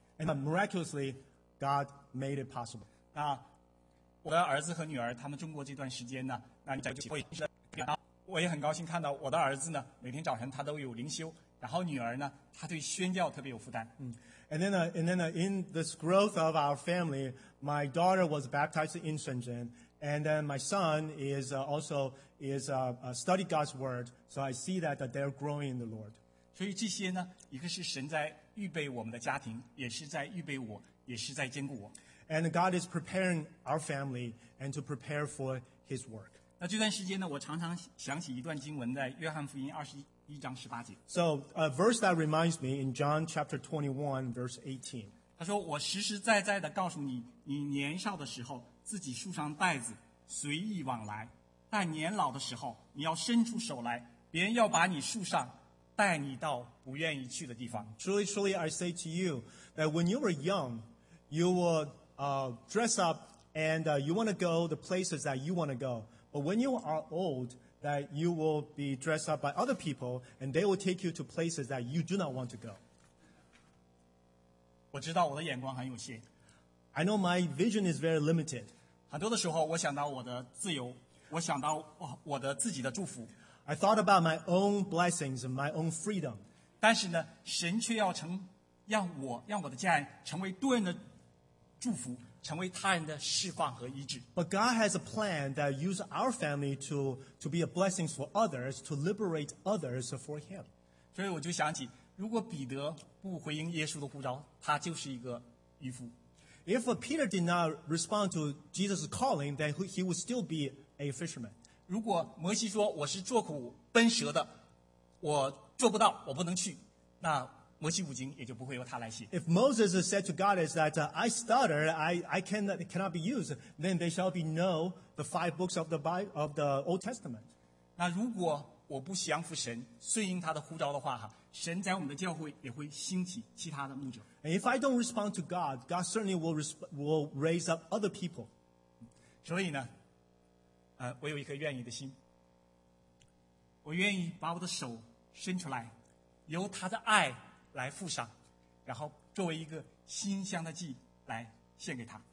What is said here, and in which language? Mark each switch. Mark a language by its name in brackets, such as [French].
[English] And miraculously, God made it possible. [Chinese] 那我的儿子和女儿他们中国这段时间呢，那在教会是，我也很高兴看到我的儿子呢，每天早晨他都有灵修，然后女儿呢，她对宣教特别有负担。 [English] And then in this growth of our family, my daughter was baptized in Shenzhen, and then my son is also study God's word. So I see that they're growing in the Lord. [Chinese] 所以这些呢，一个是神在。预备我们的家庭，也是在预备我，也是在坚固我。 [English] And God is preparing our family and to prepare for His work. [Chinese] 那这段时间呢，我常常想起一段经文，在约翰福音21:18。 [English] So a verse that reminds me in John chapter 21 verse 18. [Chinese] 他说：“我实实在在的告诉你，你年少的时候自己束上带子，随意往来；但年老的时候，你要伸出手来，别人要把你束上。” 带你到不愿意去的地方。 [English] Truly, truly, I say to you that when you were young, you will dress up and you want to go the places that you want to go. But when you are old, that you will be dressed up by other people and they will take you to places that you do not want to go. [Chinese] 我知道我的眼光很有限。 [English] I know my vision is very limited. [Chinese] 很多的时候，我想到我的自由，我想到我的自己的祝福。 [English] I thought about my own blessings and my own freedom. [Chinese] 但是呢，神却要成，让我，让我的家人成为多人的祝福，成为他人的释放和医治。 [English] But God has a plan that use our family to be a blessing for others, to liberate others for Him. [Chinese] 所以我就想起，如果彼得不回应耶稣的呼召，他就是一个渔夫。 [English] If Peter did not respond to Jesus' calling, then he would still be a fisherman. [Chinese] 如果摩西说我是做苦奔蛇的，我做不到，我不能去，那摩西五经也就不会由他来写。 [English] If Moses said to God is that I stutter, I cannot be used, then there shall be no the five books of the Old Testament. [Chinese] 那如果我不降服神，顺应他的呼召的话，神在我们的教会也会兴起其他的牧者。 [English] And if I don't respond to God, God certainly will raise up other people. [Chinese] 所以呢？我有一颗愿意的心，我愿意把我的手伸出来，由他的爱来附上，然后作为一个馨香的祭来献给他。